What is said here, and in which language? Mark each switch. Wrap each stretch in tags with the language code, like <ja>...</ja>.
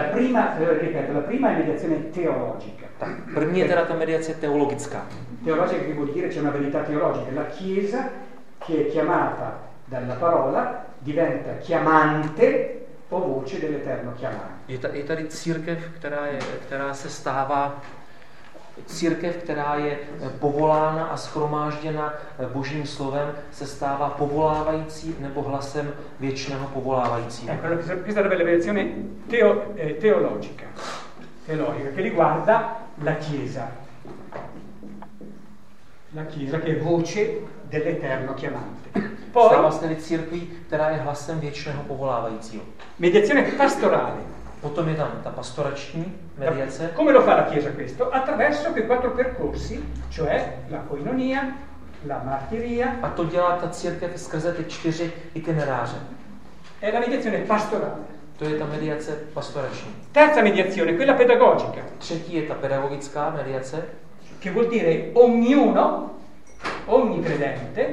<it>La prima è mediazione teologica.</it> <cs>Tak, první je teda ta mediace teologická.</cs> <it>Teologica che vuol dire c'è una verità teologica. La chiesa che è chiamata dalla parola diventa chiamante o voce dell'eterno chiamante.</it> <cs>Je tady církev, která se stává církev, která je povolána a shromážděna Božím slovem, se stává povolávající nebo hlasem věčného povolávajícího.</cs> <it>Questa è la mediazione teologica. Teologica che riguarda la chiesa. La chiesa che è voce dell'eterno chiamante. Poi stava stare</it> <cs>církví, která je hlasem věčného povolávajícího.</cs> <it>Mediazione pastorale.</it> <cs>Potom je tam ta pastorační mediace.</cs> <it>Come lo fa la chiesa questo? Attraverso quei quattro percorsi, cioè la coinonia, la martiria.</it> <cs>A to dělá ta církev skrze ty čtyři itineráře.</cs> <it>È la mediazione pastorale.</it> <cs>To je ta mediace pastorační.</cs> <it>Terza mediazione, quella pedagogica.</it> <cs>Třetí je ta pedagogická mediace.</cs> <it>Che vuol dire ognuno, ogni credente,</it>